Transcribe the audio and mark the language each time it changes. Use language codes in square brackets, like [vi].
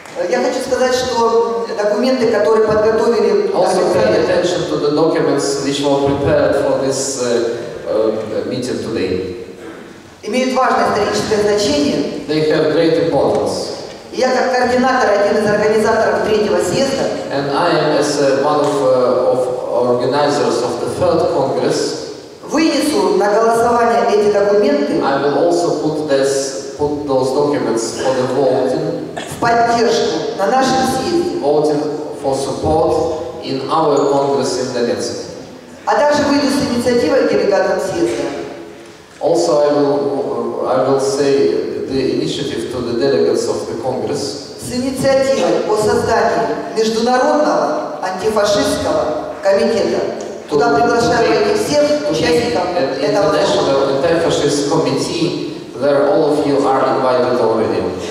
[ru] Я хочу сказать, что документы, которые подготовили... [en] Also pay attention to the documents which were prepared for this meeting today. [ru] Имеют важное историческое значение. [en] They have great importance. [ru] Я как координатор, один из организаторов третьего съезда. [en] And I am as one of organizers of the third congress. [ru] Вынесу на голосование эти документы. [en] I will also put those documents for the voting. [ru] В поддержку на нашем съезде. [en] Voting for support in our congress in Donetsk. [ru] А также выйду с инициативой делегатам съезда. [en] Also I will say the initiative to the delegates of the Congress. [ru] С инициативой о создании международного антифашистского комитета. Туда приглашаю этих всех участников этого форума. [en] The International Anti-Fascist Committee, there all of you are invited already.